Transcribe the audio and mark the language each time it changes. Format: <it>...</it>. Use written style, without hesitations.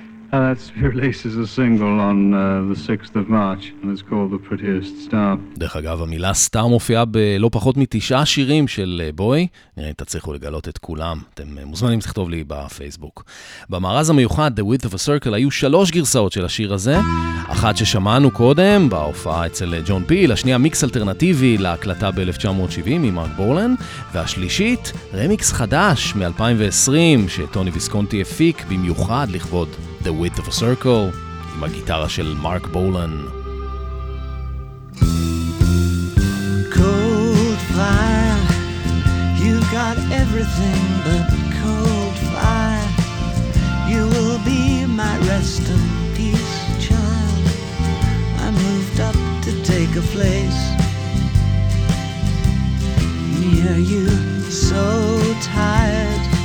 <en>That's released as a single on the 6th of March and it's called The Prettiest Star.</en> <he>דרך אגב, המילה סטאר מופיעה בלא פחות מ9 שירים של בוי. נראה, תצליחו לגלות את כולם. אתם מוזמנים לכתוב לי בפייסבוק. במארז המיוחד, The Width of a Circle, היו 3 גרסאות של השיר הזה. אחת ששמענו קודם, בהופעה אצל ג'ון פיל, השנייה מיקס אלטרנטיבי להקלטה ב-1970 עם מרק בורלן, והשלישית, רמיקס חדש מ-2020, שטוני ויסקונטי הפיק במיוחד לכבוד The Width of a Circle, עם הגיטרה של מרק בולן.</he> <en>Cold fire, you've got everything but cold fire. You will be my rest in peace, child. I moved up to take a place near you, so tired.</en>